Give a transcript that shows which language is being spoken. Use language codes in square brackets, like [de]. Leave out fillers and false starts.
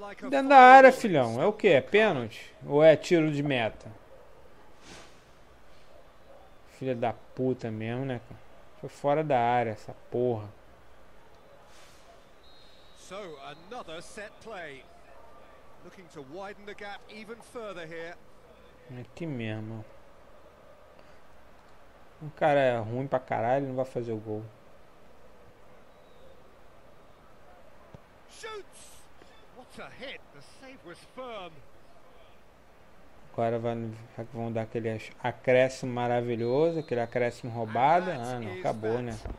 [pt] Dentro da área, filhão. É o quê? É pênalti? Ou é tiro de meta? Filha da puta mesmo, né, cara? Foi fora da área, essa porra. [en] So, another set play. Looking to widen the gap even further here. [pt] Aqui mesmo. O cara é ruim pra caralho, não vai fazer o gol. [en] Shoots! What a hit! The save was firm. [pt] Agora vão dar aquele acréscimo maravilhoso, aquele acréscimo roubado. Ah, não, acabou, né?